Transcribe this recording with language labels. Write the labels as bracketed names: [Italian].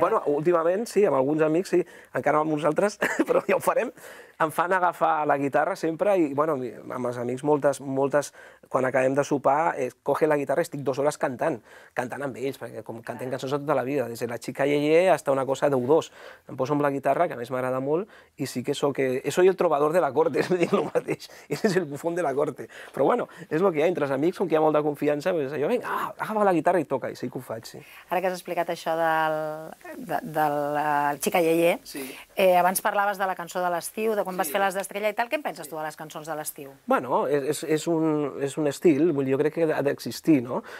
[Catalan] Bueno, últimament, sí, amb alguns amics, sí. Encara amb uns altres, però ja ho farem. Em fan agafar la guitarra sempre i, bueno, amb els amics moltes, quan acabem de sopar, [Spanish] coge la guitarra [Catalan] i estic 2 hores cantant amb ells, perquè com canten cançons tota la vida, des de la xica Yeye fins a una cosa de U2. Em poso amb la guitarra, que a més m'agrada molt, i sí que sóc... [Spanish] Soy el trobador de la corte, [Catalan] me dic el mateix, [Spanish] eres el bufón de la corte. [Catalan] Però, bueno, és el que hi ha entre els amics, com que hi ha molta confiança, doncs jo, vinga, agafa la guitarra i toca, i sí que ho faig, sí. Ara que has explicat això del xica Yeye, abans parlaves de la cançó de l'estiu, de quan vas fer les d'Estrella i tal, què en penses tu de les cançons de l'estiu? Bueno, és un estil, jo crec que ha d'existir, no?